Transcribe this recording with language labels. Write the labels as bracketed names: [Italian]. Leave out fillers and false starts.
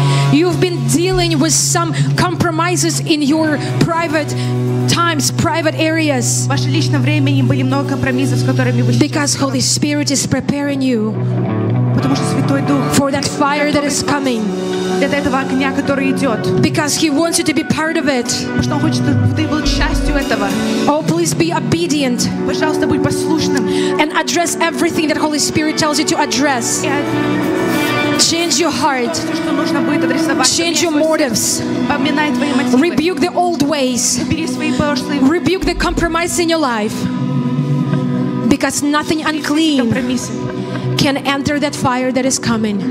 [English] You've been dealing with some compromises in your private times, private areas. [Russian] Ваше личное время были много компромиссов, с которыми вы. [English] Because Holy Spirit is preparing you. [Russian] Потому что Святой Дух. [English] For that fire that is coming. [Russian] Для этого огня, который идет. [English] Because He wants you to be part of it. [Russian] Потому что Он хочет, чтобы ты был частью этого. [English] Oh, please be obedient. [Russian] Пожалуйста, будь послушным. [English] And address everything that Holy Spirit tells you to address. Change your heart. Change your motives. Rebuke the old ways. Rebuke the compromise in your life. Because nothing unclean can enter that fire that is coming.